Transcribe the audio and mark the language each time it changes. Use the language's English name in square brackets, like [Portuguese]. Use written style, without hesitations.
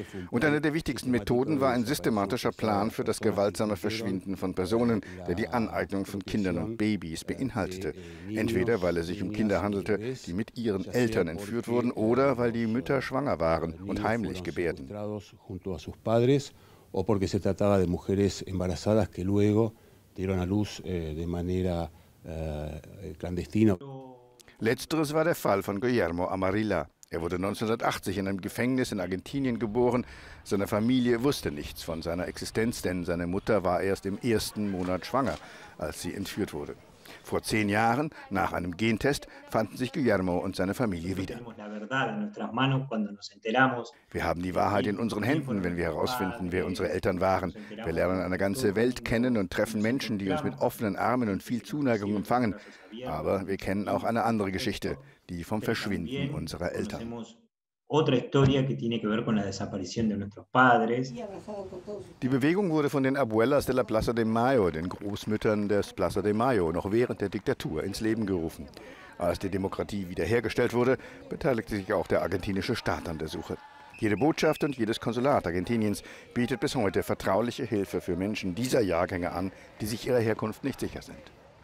[German] Und eine der wichtigsten Methoden war ein systematischer Plan für das gewaltsame Verschwinden von Personen, der die Aneignung von Kindern und Babys beinhaltete. Entweder weil es sich um Kinder handelte, die mit ihren Eltern entführt wurden, oder weil die Mütter schwanger waren und heimlich gebärden. [Spanish] Junto a sus padres o porque se trataba de mujeres embarazadas que luego dieron a luz de manera clandestina. [German] Letzteres war der Fall von Guillermo Amarilla. Er wurde 1980 in einem Gefängnis in Argentinien geboren. Seine Familie wusste nichts von seiner Existenz, denn seine Mutter war erst im ersten Monat schwanger, als sie entführt wurde. Vor 10 Jahren, nach einem Gentest, fanden sich Guillermo und seine Familie wieder. Wir haben die Wahrheit in unseren Händen, wenn wir herausfinden, wer unsere Eltern waren. Wir lernen eine ganze Welt kennen und treffen Menschen, die uns mit offenen Armen und viel Zuneigung empfangen. Aber wir kennen auch eine andere Geschichte, die vom Verschwinden unserer Eltern. [Spanish] Otra historia que tiene que ver con la desaparición de nuestros padres. [German] Die Bewegung wurde von den Abuelas de la Plaza de Mayo, den Großmüttern des Plaza de Mayo, noch während der Diktatur ins Leben gerufen. Als die Demokratie wiederhergestellt wurde, beteiligte sich auch der argentinische Staat an der Suche. Jede Botschaft und jedes Konsulat Argentiniens bietet bis heute vertrauliche Hilfe für Menschen dieser Jahrgänge an, die sich ihrer Herkunft nicht sicher sind.